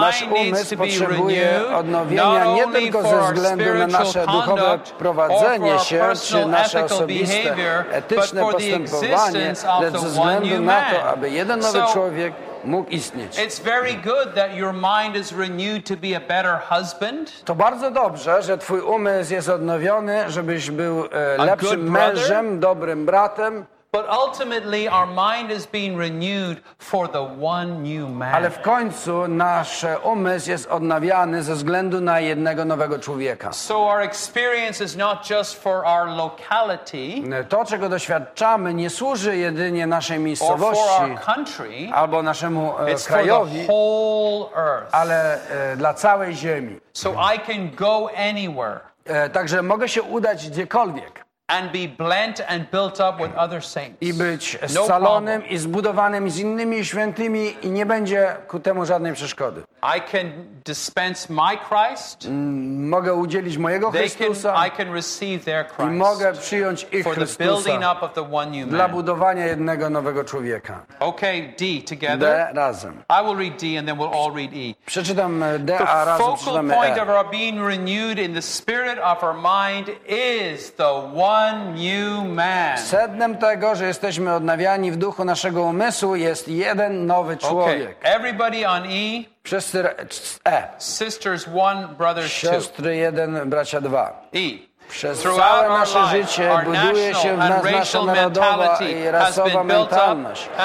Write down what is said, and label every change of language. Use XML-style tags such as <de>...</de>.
<pl>nasz umysł potrzebuje odnowienia nie tylko ze względu na nasze duchowe prowadzenie się czy nasze osobiste etyczne postępowanie, lecz ze względu na to, aby jeden nowy człowiek mógł istnieć.</pl> <en>It's very good that your mind is renewed to be a better husband.</en> <pl>To bardzo dobrze, że twój umysł jest odnowiony, żebyś był lepszym mężem, dobrym bratem.</pl> <en>But ultimately our mind is being renewed for the one new man.</en> <pl>Ale w końcu nasz umysł jest odnawiany ze względu na jednego nowego człowieka.</pl> <en>So our experience is not just for our locality.</en> <pl>To, czego doświadczamy, nie służy jedynie naszej miejscowości,</pl> <en>or for our country,</en> <pl>albo naszemu</pl> <en>it's</en> <pl>krajowi,</pl> <en>for the whole earth.</en> <pl>Ale dla całej ziemi.</pl> <en>So I can go anywhere.</en> <pl>Także mogę się udać gdziekolwiek.</pl> <en>And be blent and built up with other saints.</en> <pl>I być scalonym i zbudowanym z innymi świętymi i nie będzie ku temu żadnej przeszkody.</pl> <en>I can dispense my Christ.</en> <pl>Mogę udzielić mojego Chrystusa.</pl> <en>I can receive their Christ.</en> <pl>I mogę przyjąć ich Chrystusa.</pl> <en>For the building up of the one new man.</en> <pl>Dla budowania jednego nowego człowieka.</pl> <en>Okay, D together.</en> <pl>D razem.</pl> <en>I will read D and then we'll all read E.</en> <pl>Przeczytam D, a razem przeczytamy E.</pl> <en>The focal point of our being renewed in the spirit of our mind is the one new man.</en> <pl>Sednem tego, że jesteśmy odnawiani w duchu naszego umysłu, jest jeden nowy człowiek.</pl> <en>Okay. Everybody on E. Sisters one, brothers two.</en> <pl>Siostry jeden, bracia dwa.</pl> <en>E.</en> <pl>Przez całe nasze życie buduje się w nas nasza narodowa i rasowa mentalność.</pl>